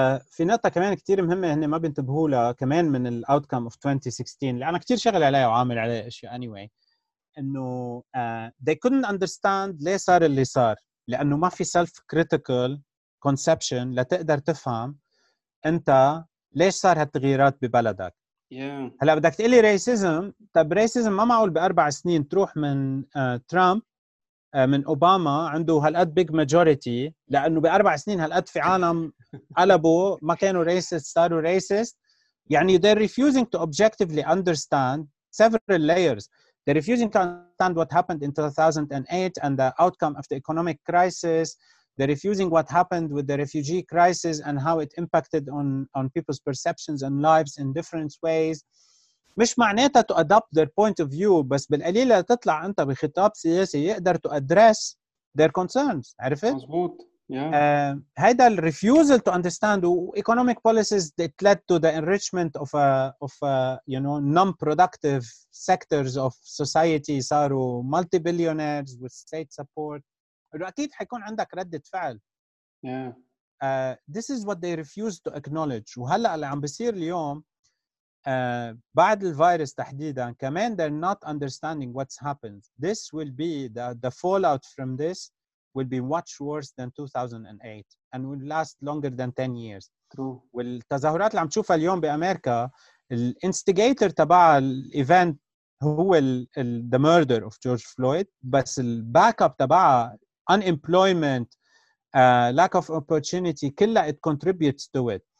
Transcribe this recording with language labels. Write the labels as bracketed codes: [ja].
[ar] في نقطه كمان كثير مهمه هن ما بينتبهوا لها كمان من الاوتكم اوف 2016 اللي انا كثير شغل عليها وعامل عليها اشياء anyway انه [en] they couldn't understand [ar] ليه صار اللي صار لانه ما في [en] self critical conception [ar] لتقدر تفهم انت ليش صار هالتغييرات ببلدك. [en] Yeah. [ar] هلا بدك تقلي ريسيزم, طب ريسيزم ما معقول بأربع سنين تروح من ترامب من أوباما عنده هالقد [en] big majority [ar] لأنه بأربع سنين هالقد في عالم قلبوا ما كانوا racist صاروا racist. يعني [en] they're refusing to objectively understand several layers, they're refusing to understand what happened in 2008 and the outcome of the economic crisis, they're refusing what happened with the refugee crisis and how it impacted on people's perceptions and lives in different ways. [ar] مش معناتها [en] to adopt their point of view, [ar] بس بالقليلة تطلع انت بخطاب سياسي يقدر [en] to address their concerns, [ar] عرفت؟ مزبوط. هيدا ال [en] refusal to understand economic policies that led to the enrichment of you know non-productive sectors of society [ar] صاروا [en] multi-billionaires with state support. [ar] أكيد حيكون عندك ردة فعل. [en] Yeah. This is what they refuse to acknowledge. [ar] وهلأ اللي عم بصير اليوم بعد الفيروس تحديداً كمان [en] they're not understanding what's happened. This will be the fallout from this will be much worse than 2008 and will last longer than 10 years. True. [ar] والتظاهرات اللي عم تشوفها اليوم بأمريكا الانستيجيتر تبع الإيفنت هو [en] the murder of George Floyd, [ar] بس الباك اب تبعها [en] unemployment, lack of opportunity, [ar] كلها [en] it contributes to it.